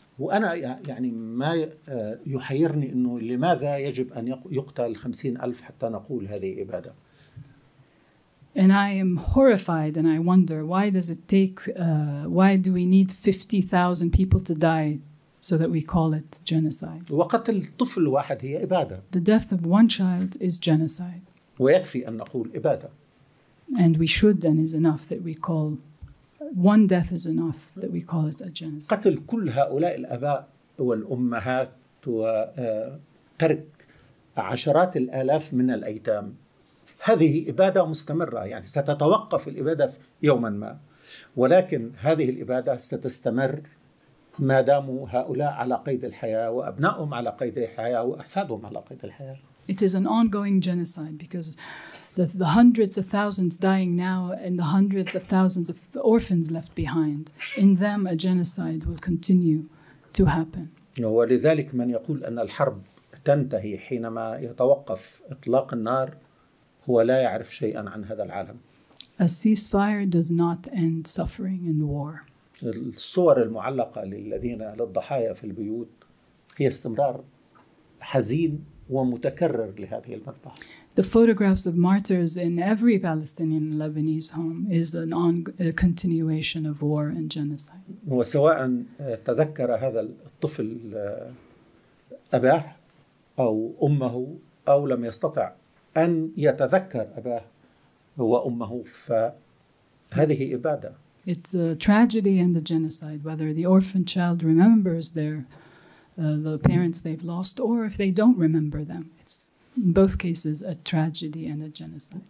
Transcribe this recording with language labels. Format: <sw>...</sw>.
<ar>وأنا يعني ما يحيرني إنه لماذا يجب أن يقتل 50,000 حتى نقول هذه إبادة.</ar> <en>And I am horrified and I wonder why does it take, why do we need 50,000 people to die so that we call it genocide.</en> <ar>وقتل طفل واحد هي إبادة.</ar> <en>The death of one child is genocide.</en> <ar>ويكفي أن نقول إبادة.</ar> <en>And we should and is enough that we call one death is enough that we call it a genocide.</en> <ar>قتل كل هؤلاء الآباء والأمهات وترك عشرات الآلاف من الأيتام هذه إبادة مستمرة يعني ستتوقف الإبادة يوما ما ولكن هذه الإبادة ستستمر ما داموا هؤلاء على قيد الحياة وأبنائهم على قيد الحياة وأحفادهم على قيد الحياة.</ar> <en>It is an ongoing genocide because the hundreds of thousands dying now and the hundreds of thousands of orphans left behind, in them a genocide will continue to happen.</en> <ar>ولذلك من يقول أن الحرب تنتهي حينما يتوقف إطلاق النار هو لا يعرف شيئا عن هذا العالم.</ar> <en>A ceasefire does not end suffering and war.</en> <ar>الصور المعلقة للذين للضحايا في البيوت هي استمرار حزين ومتكرر لهذه المرضى.</ar> <en>The photographs of martyrs in every Palestinian Lebanese home is an on continuation of war and genocide.</en> <ar>وسواء تذكر هذا الطفل أباه أو أمه أو لم يستطع أن يتذكر أباه وأمه فهذه إبادة.</ar> <en>It's a tragedy and a genocide, whether the orphan child remembers their the parents they've lost or if they don't remember them. It's in both cases a tragedy and a genocide.</en>